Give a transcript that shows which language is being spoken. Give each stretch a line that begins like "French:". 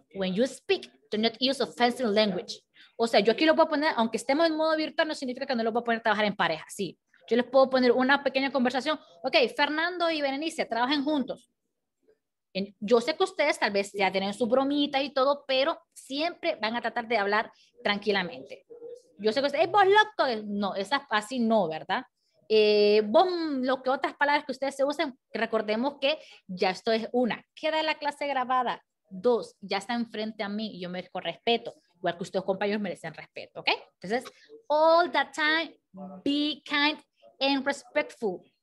English: When you speak, do not use offensive language.
Spanish: O sea, yo aquí lo puedo poner, aunque estemos en modo virtual, no significa que no lo puedo poner a trabajar en pareja. Sí, yo les puedo poner una pequeña conversación. Ok, Fernando y Berenice, trabajen juntos. Yo sé que ustedes tal vez ya tienen su bromita y todo, pero siempre van a tratar de hablar tranquilamente. Yo sé que ustedes, vos loco, no, esa así no, ¿verdad? Lo que otras palabras que ustedes se usen, recordemos que ya esto es una, queda la clase grabada, dos, ya está enfrente a mí y yo merezco respeto, igual que ustedes compañeros merecen respeto, ¿ok?
English: Entonces, all the time, be kind and respectful.